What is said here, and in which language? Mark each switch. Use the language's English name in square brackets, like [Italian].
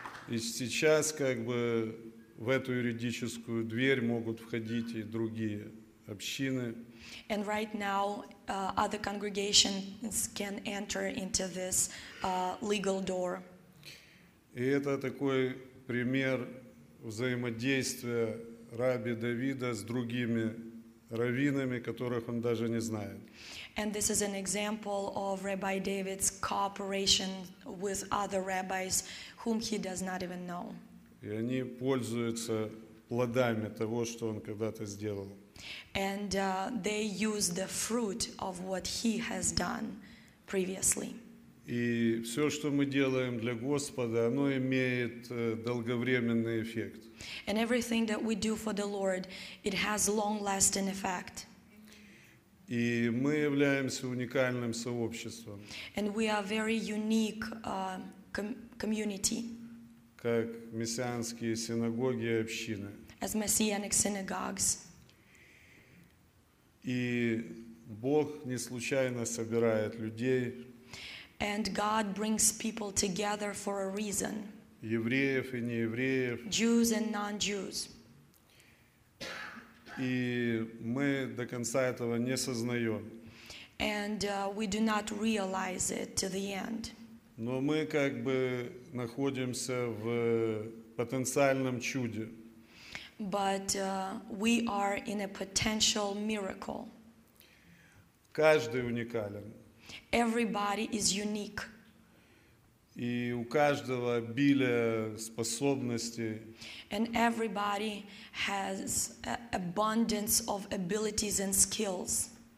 [Russian] И сейчас как бы в эту юридическую дверь могут входить и другие общины. [English] And right now, other congregations can enter into this legal door. [Russian] И это такой пример взаимодействия Рабби Давида с другими раввинами, которых он даже не знает. [English] And this is an example of Rabbi David's cooperation with other rabbis whom he does not even know. [Russian] И они пользуются плодами того, что он когда-то сделал. [English] And they use the fruit of what he has done previously. [Russian] И все, что мы делаем для Господа, оно имеет долговременный эффект. [English] And everything that we do for the Lord, it has long-lasting effect. [Russian] И мы являемся уникальным сообществом. [English] And we are very unique community. [Russian] К как мессианские синагоги и общины. [English] As messianic synagogues. [Russian] И Бог не случайно собирает людей. [English] And God brings people together for a reason. [Russian] Евреев и неевреев. [English] Jews and non-Jews. [Russian] И мы до конца этого не сознаем. [English] And we do not realize it to the end. [Russian] Но мы как бы находимся в потенциальном чуде. [English] But we are in a potential miracle. [Russian] Каждый уникален. [English] Everybody is unique. [Russian] И у каждого обилие способностей. [English] And everybody has abundance of abilities and skills.